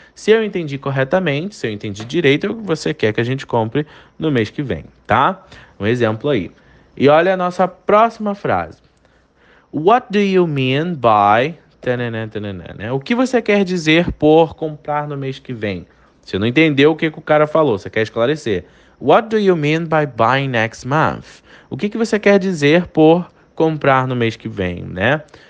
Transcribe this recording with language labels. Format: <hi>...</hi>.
<pt>Se eu entendi corretamente, se eu entendi direito, você quer que a gente compre no mês que vem, tá? Um exemplo aí. E olha a nossa próxima frase.</pt> <en>What do you mean by...</en> <pt>O que você quer dizer por comprar no mês que vem? Você não entendeu o que que o cara falou, você quer esclarecer.</pt> <en>What do you mean by buying next month?</en> <pt>O que que você quer dizer por comprar no mês que vem, né?</pt>